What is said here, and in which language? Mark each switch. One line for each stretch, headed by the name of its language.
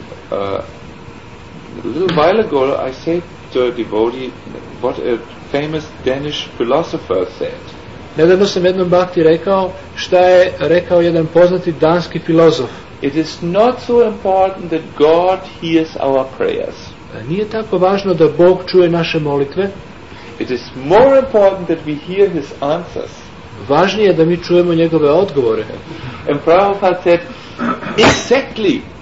English: A while ago I said to a devotee what a famous Danish philosopher said.
Serbian: Nedavno sam jednom bhakti rekao šta je rekao jedan poznati danski filozof.
English: It is not so important that God hears our prayers.
Serbian: Nije tako važno da Bog čuje naše molitve.
English: It is more important that we hear his answers.
Serbian: Važnije je da mi čujemo njegove odgovore.
English: And Prabhupada said, exactly.